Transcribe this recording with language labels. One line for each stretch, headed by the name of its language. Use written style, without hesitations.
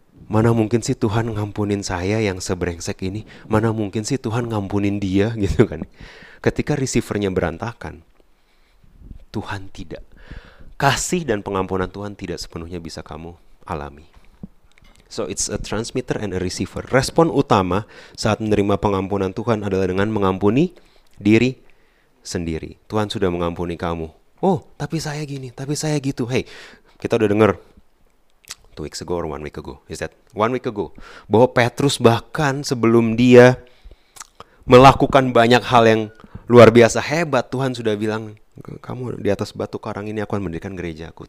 Indonesian: Mana mungkin sih Tuhan ngampunin saya yang sebrengsek ini? Mana mungkin sih Tuhan ngampunin dia gitu kan? Ketika receiver-nya berantakan, Tuhan tidak. Kasih dan pengampunan Tuhan tidak sepenuhnya bisa kamu alami.
English: So it's a transmitter and a receiver.
Indonesian: Respon utama saat menerima pengampunan Tuhan adalah dengan mengampuni diri sendiri. Tuhan sudah mengampuni kamu. Oh, tapi saya gini, tapi saya gitu.
English: Hey,
Indonesian: kita udah dengar
English: 2 weeks ago or 1 week ago. Is that 1 week ago?
Indonesian: Bahwa Petrus bahkan sebelum dia melakukan banyak hal yang luar biasa hebat, Tuhan sudah bilang, kamu di atas batu karang ini aku akan mendirikan gerejaku.